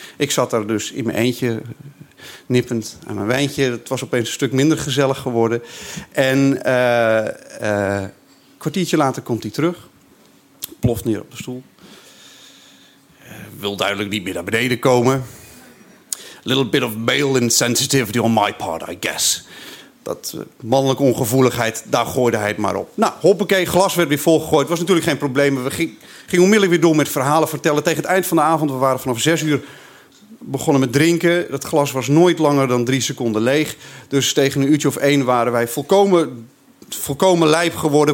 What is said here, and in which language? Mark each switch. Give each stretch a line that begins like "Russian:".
Dutch: Ik zat daar dus in mijn eentje, nippend aan mijn wijntje. Het was opeens een stuk minder gezellig geworden. En een kwartiertje later komt hij terug. Ploft neer op de stoel. Wil duidelijk niet meer naar beneden komen.
English: Little bit of male insensitivity on my part, I guess.
Dutch: Dat mannelijke ongevoeligheid, daar gooide hij het maar op. Nou, hoppakee, glas werd weer volgegooid. Het was natuurlijk geen probleem. We gingen onmiddellijk weer door met verhalen vertellen. Tegen het eind van de avond, we waren vanaf 6 uur begonnen met drinken. Dat glas was nooit langer dan 3 seconden leeg. Dus tegen 1 uur waren wij volkomen lijp geworden.